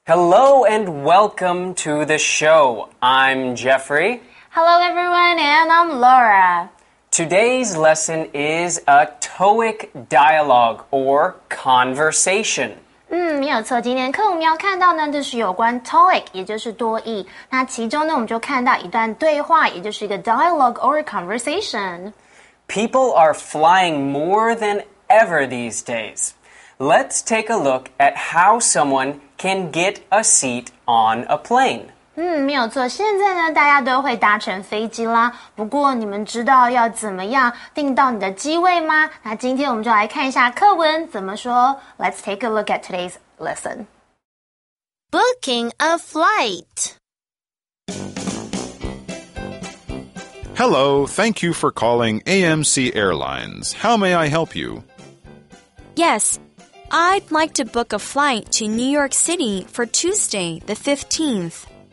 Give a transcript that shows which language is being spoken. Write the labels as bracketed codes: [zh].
[en] Hello and welcome to the show. I'm Jeffrey. Hello everyone, and I'm Laura. Today's lesson is a TOEIC dialogue or conversation. [zh] 没有错，今天课我们要看到呢，就是有关 TOEIC， 也就是多益。那其中呢，我们就看到一段对话，也就是一个 [en] dialogue or conversation. People are flying more than ever these days. Let's take a look at how someone can get a seat on a plane. [zh] 没有错，现在呢，大家都会搭乘飞机啦。不过你们知道要怎么样订到你的机位吗？那今天我们就来看一下课文怎么说。 [en] Let's take a look at today's lesson. Booking a flight. Hello, thank you for calling AMC Airlines. How may I help you? Yes. I'd like to book a flight to New York City for Tuesday, the 15th.